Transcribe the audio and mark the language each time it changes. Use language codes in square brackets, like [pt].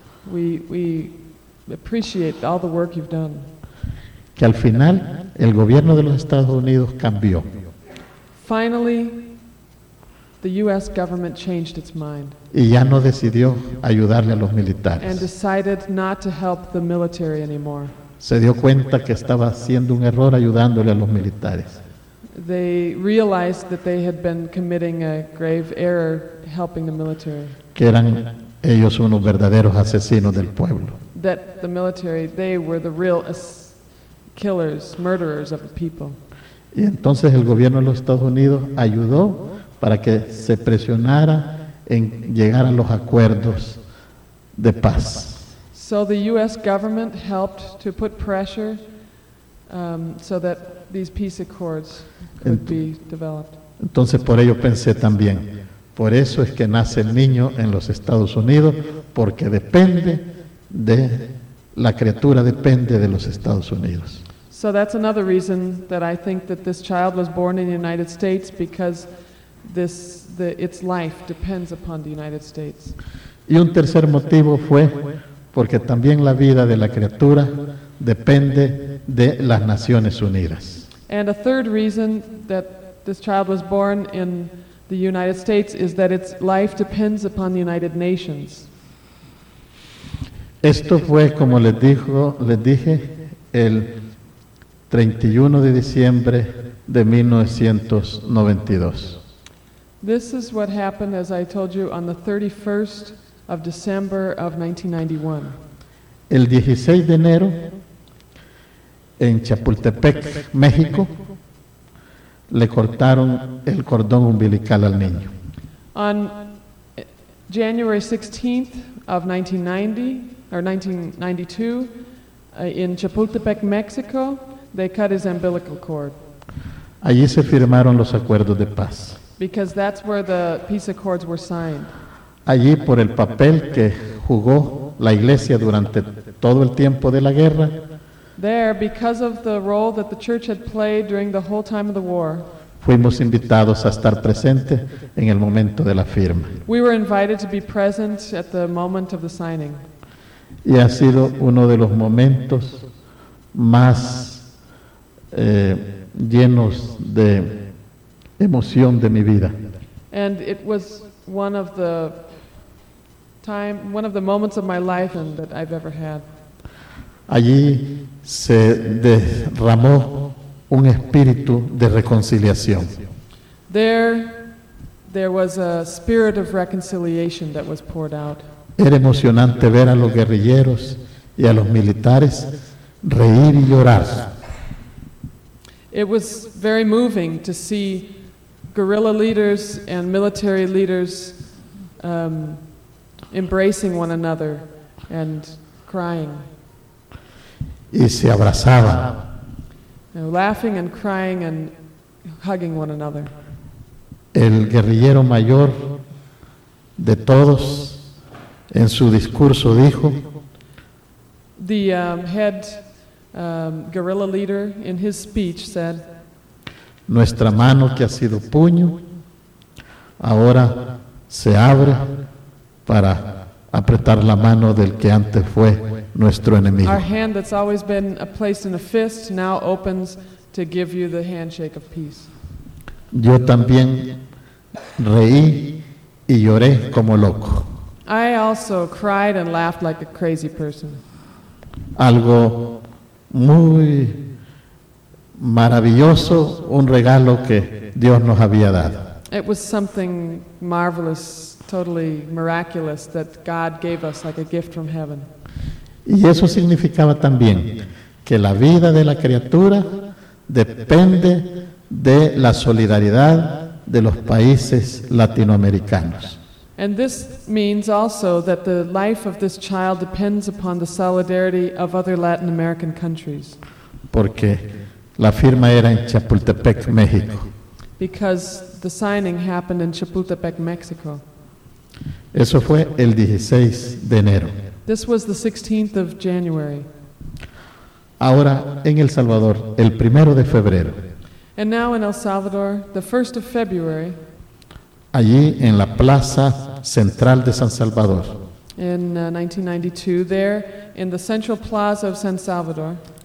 [en] We appreciate all the work you've done. [es] Que al final el gobierno de los Estados Unidos cambió. [en] Finally, the U.S. government changed its mind. [es] Y ya no decidió ayudarle a los militares. [en] And decided not to help the military anymore. [es] Se dio cuenta que estaba haciendo un error ayudándole a los militares. [en] They realized that they had been committing a grave error helping the military. [es] Que eran ellos unos verdaderos asesinos del pueblo. [en] That the military, they were the real killers, murderers of the people. [es] Y entonces el gobierno de los Estados Unidos ayudó para que se presionara en llegar a los acuerdos de paz. [en] So the U.S. government helped to put pressure so that these peace accords could be developed. [es] Entonces por ello pensé también, por eso es que nace el niño en los Estados Unidos, porque depende de, la criatura depende de los Estados Unidos. [en] So that's another reason that I think that this child was born in the United States, because its life depends upon the United States. [es] Y un tercer motivo fue porque también la vida de la criatura depende de las Naciones Unidas. [en] And a third reason that this child was born in the United States is that its life depends upon the United Nations. [es] Esto fue, como les dije, el 31 de diciembre de 1992. [en] This is what happened, as I told you, on the 31st of December of 1991. [es] El 16 de enero, en Chapultepec, México, le cortaron el cordón umbilical al niño. [en] On January 16th of 1992, in Chapultepec, Mexico, they cut his umbilical cord. [es] Allí se firmaron los acuerdos de paz. [en] Because that's where the peace accords were signed. [es] Allí por el papel que jugó la iglesia durante todo el tiempo de la guerra. [en] There, because of the role that the church had played during the whole time of the war, [es] fuimos invitados a estar presentes en el momento de la firma. [en] We were invited to be present at the moment of the signing. [es] Y ha sido uno de los momentos más llenos de emoción de mi vida. [en] And it was one of the time, one of the moments of my life and that I've ever had. [es] Allí se derramó un espíritu de reconciliación. [en] There was a spirit of reconciliation that was poured out. [es] Era emocionante ver a los guerrilleros y a los militares reír y llorar. [en] It was very moving to see guerrilla leaders and military leaders embracing one another and crying. [es] Y se abrazaban. [en] Laughing and crying and hugging one another. [es] El guerrillero mayor de todos en su discurso dijo, [en] the head guerrilla leader in his speech said, [es] nuestra mano que ha sido puño ahora se abre para apretar la mano del que antes fue nuestro enemigo. [en] Our hand that's always been placed in a fist now opens to give you the handshake of peace. [es] Yo también reí y lloré como loco. [en] I also cried and laughed like a crazy person. [es] Algo muy maravilloso, un regalo que Dios nos había dado. [en] It was something marvelous, totally miraculous that God gave us like a gift from heaven. [es] Y eso significaba también que la vida de la criatura depende de la solidaridad de los países latinoamericanos. [en] And this means also that the life of this child depends upon the solidarity of other Latin American countries. [es] Porque la firma era en Chapultepec, México. [en] Because the signing happened in Chapultepec, Mexico. [es] Eso fue el 16 de enero. [en] This was the 16th of January. [es] Ahora en El Salvador, el primero de febrero. [en] And now in El Salvador, the 1st of February. [es] Allí en la Plaza Central de San Salvador. [en] In 1992, there in the Central Plaza of San Salvador.